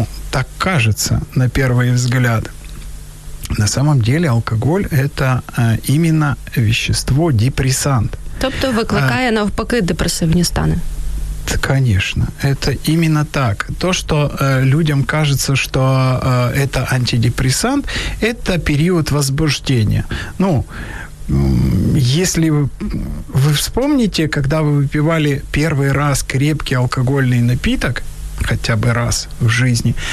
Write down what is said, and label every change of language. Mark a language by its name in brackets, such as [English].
[Russian] Так кажется на первый взгляд. На самом деле алкоголь – это именно вещество депрессант. [Ukrainian] Тобто викликає навпаки депресивні стани. [Russian] Конечно, это именно так. То, что людям кажется, что это антидепрессант, это период возбуждения. Ну, если вы вспомните, когда вы выпивали первый раз крепкий алкогольный напиток, хотя бы раз в жизни.